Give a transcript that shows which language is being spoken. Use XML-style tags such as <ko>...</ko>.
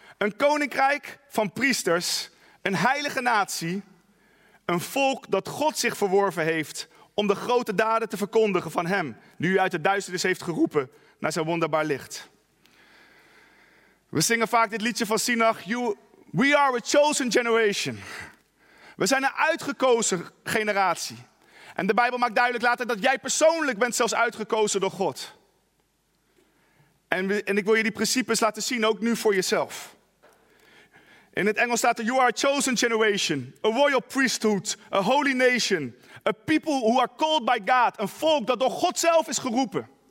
<nl>Een koninkrijk van priesters. Een heilige natie. Een volk dat God zich verworven heeft om de grote daden te verkondigen van hem, die u uit de duisternis heeft geroepen naar zijn wonderbaar licht. We zingen vaak dit liedje van Sinach.</nl> <en>We are a chosen generation.</en> <nl>We zijn een uitgekozen generatie. En de Bijbel maakt duidelijk later dat jij persoonlijk bent zelfs uitgekozen door God. En ik wil je die principes laten zien, ook nu voor jezelf. In het Engels staat er,</nl> <en>you are a chosen generation, a royal priesthood, a holy nation, a people who are called by God,</en> <nl>een volk dat door God zelf is geroepen.</nl>